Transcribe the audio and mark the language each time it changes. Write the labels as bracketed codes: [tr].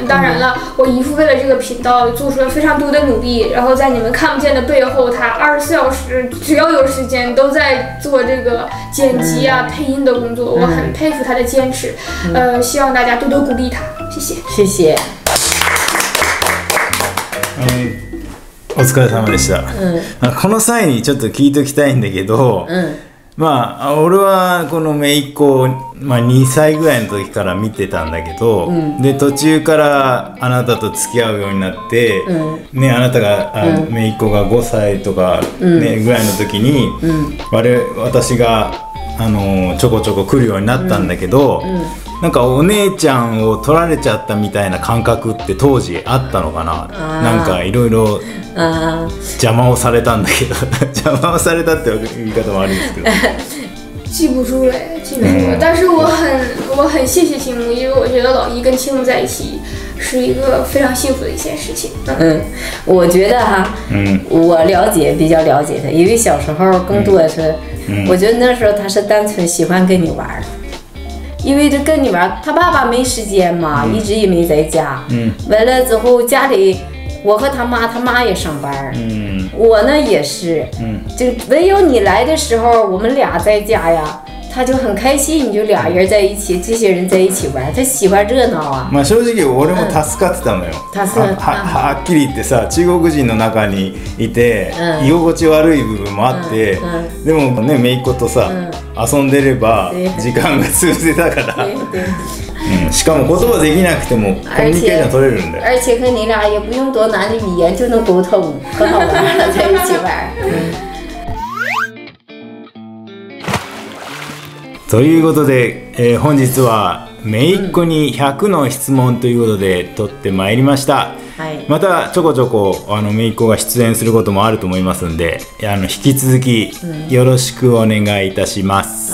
[zh] 当然了，我姨父为了这个频道做出了非常多的努力，然后在你们看不见的背后，他24小时只要有时间都在做这个剪辑啊、配音的工作，我很佩服他的坚持。希望大家多多鼓励他，谢谢。谢谢。 [ja] お疲れ様でした。この際にちょっと聞いておきたいんだけど、まあ俺はこの姪っ子、まあ、2歳ぐらいの時から見てたんだけど、うん、で途中からあなたと付き合うようになって、うん、ね、あなたが姪っ子が5歳とか、ねうん、ぐらいの時に、うん、私がちょこちょこ来るようになったんだけど、うんうん、なんかお姉ちゃんを取られちゃったみたいな感覚って当時あったのかな。なんかいろいろ邪魔をされたんだけど邪魔をされたって言い方もあるんですけど [zh] 记不住嘞，记不住、嗯。但是我很谢谢青木，因为我觉得老一跟青木在一起是一个非常幸福的一件事情。嗯，我觉得哈，嗯，我了解比较了解他，因为小时候更多的是、嗯，我觉得那时候他是单纯喜欢跟你玩，因为这跟你玩，他爸爸没时间嘛，嗯、一直也没在家。嗯，完了之后家里。我和他妈，他妈也上班，嗯、我呢也是、嗯，就唯有你来的时候，我们俩在家呀，他就很开心，你就俩人在一起，这些人在一起玩，他喜欢热闹啊。 [ja] まあ正直俺も助かってたのよ。助かった。はっきり言ってさ、中国人の中にいて、うん、居心地悪い部分もあって、うんうん、でもね、めいっ子とさ、うん、遊んでれば時間が過ごせたから。嗯，しかも言葉できなくてもコミュニケーション取れるんで。 [zh] 而且和你俩也不用多难的语言就能沟通，可好玩了，在一起玩。 [ja] ということで、本日は姪っ子に100の質問ということで取ってまいりました。はい、またちょこちょこあのめいっ子が出演することもあると思いますんで、あの引き続きよろしくお願いいたします。